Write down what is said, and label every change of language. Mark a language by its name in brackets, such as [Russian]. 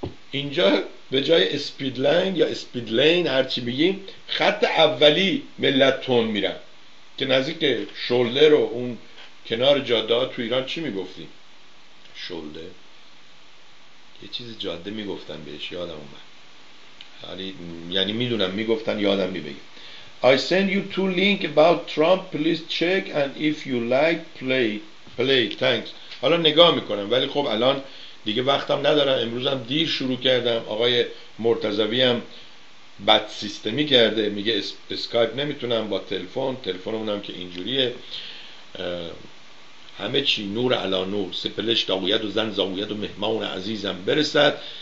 [Persian] اینجا به جای اسپید لین یا اسپید لین هرچی بگیم خط اولی ملت تون میرن که نزدیک شولده رو اون کنار جاده ها تو ایران چی میگفتیم؟ شولده یه چیز جاده میگفتن بهش، یادم اومد. یعنی میدونم میگفتن یادم نمیاد. [English] I send you two link about Trump, please check and if you like play. Thanks. [Persian] حالا نگاه میکنم ولی خب الان دیگه وقتم ندارم، امروزم دیر شروع کردم. آقای مرتضوی هم بد سیستمی کرده، میگه اسکایپ نمیتونم با تلفن، تلفنمونم که اینجوریه، همه چی نور علی نور، سپلش داغویت و زن زاغویت و مهمان عزیزم برسد.